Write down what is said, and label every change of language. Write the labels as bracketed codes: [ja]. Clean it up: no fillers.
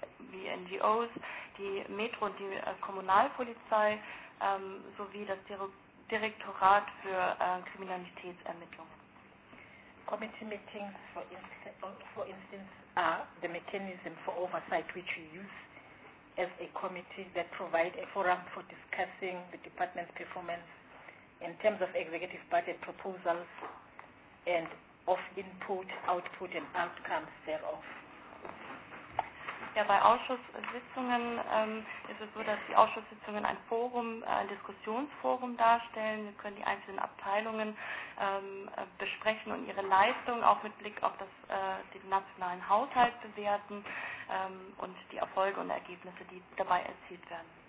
[de] wie NGOs, die Metro und die Kommunalpolizei sowie das Direktorat für Kriminalitätsermittlung. [en] Committee meetings, for instance, are the mechanism for oversight which we use as a committee that provide a forum for discussing the department's performance in terms of executive budget proposals and of input, output and outcomes thereof. [de] Ja, bei Ausschusssitzungen ist es so, dass die Ausschusssitzungen ein Forum, ein Diskussionsforum darstellen. Wir können die einzelnen Abteilungen besprechen und ihre Leistung auch mit Blick auf das, den nationalen Haushalt bewerten und die Erfolge und Ergebnisse, die dabei erzielt werden.